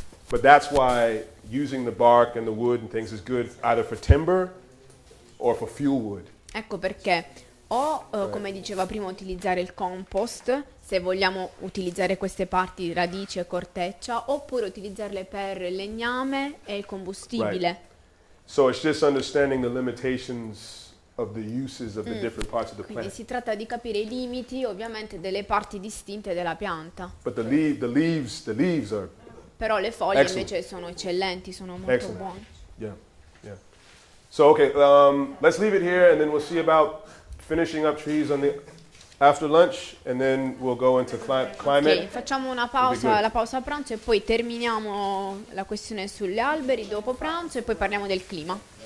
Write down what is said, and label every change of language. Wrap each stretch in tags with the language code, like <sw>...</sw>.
<en>But that's why using the bark and the wood and things is good either for timber or for fuel wood.</en> <it>Ecco perché. O, come diceva prima, utilizzare il compost, se vogliamo utilizzare queste parti, radici e corteccia, oppure utilizzarle per legname e il combustibile.</it> <en>Right. So it's just understanding the limitations of the uses of the different parts of the</en> <it>quindi</it> <en>plant.</en> <it>Quindi si tratta di capire i limiti, ovviamente, delle parti distinte della pianta.</it> <en>But the leaves are</en> <it>però le foglie</it> <en>excellent.</en> <it>Invece sono eccellenti, sono molto</it> <en>excellent.</en> <it>Buone.</it> <en>Yeah, yeah. So, okay, let's leave it here and then we'll see about finishing up trees on the after lunch, and then we'll go into climate.</en> <it>Okay, facciamo una pausa, la pausa a pranzo, e poi terminiamo la questione sugli alberi dopo pranzo, e poi parliamo del clima.</it>